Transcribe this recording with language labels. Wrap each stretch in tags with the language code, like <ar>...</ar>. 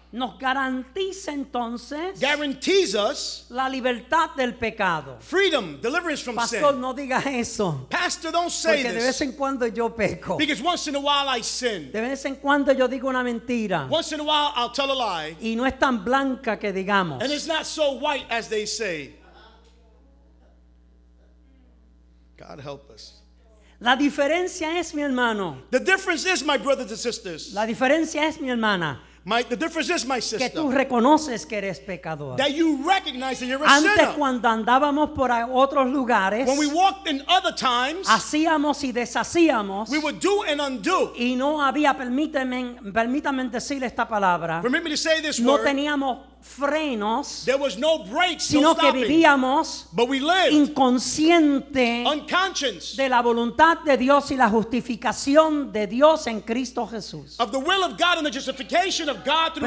<es>nos garantiza entonces,</es> <en>guarantees us,</en> <es>la libertad del pecado,</es> <en>freedom, deliverance from</en> <es>Pastor,</es> <en>sin.</en> <es>Pastor, no diga eso.</es> <en>Pastor, don't say</en> <es>porque</es> <en>this.</en> <es>Porque de vez en cuando yo peco.</es> <en>Because once in a while I sin.</en> <es>De vez en cuando yo digo una mentira.</es> <en>Once in a while I'll tell a lie.</en> <es>Y no es tan blanca que digamos.</es> <en>And it's not so white as they say. God help us.</en> <es>La diferencia es, mi hermano.</es> <en>The difference is, my brothers and sisters.</en> <es>La diferencia es, mi hermana.</es> <en>The difference is, my sister,</en> <es>que tú reconoces que eres pecador.</es> <en>That you recognize that you're a</en> <es>antes,</es> <en>sinner.</en> <es>Cuando andábamos por otros lugares,</es> <en>when we walked in other times,</en> <es>hacíamos y deshacíamos,</es> <en>we would do and undo.</en> <es>Y no había, permítame decir esta palabra,</es> <en>permit me to say this</en> <es>no</es> <en>word.</en> <es>Teníamos frenos,</es> <en>there was no brakes,</en> <es>sino que vivíamos,</es> <en>but we lived</en> <es>inconsciente,</es> <en>unconscious,</en> <es>de la voluntad de Dios y la justificación de Dios en Cristo Jesús,</es> <en>of the will of God and the justification of God through</en>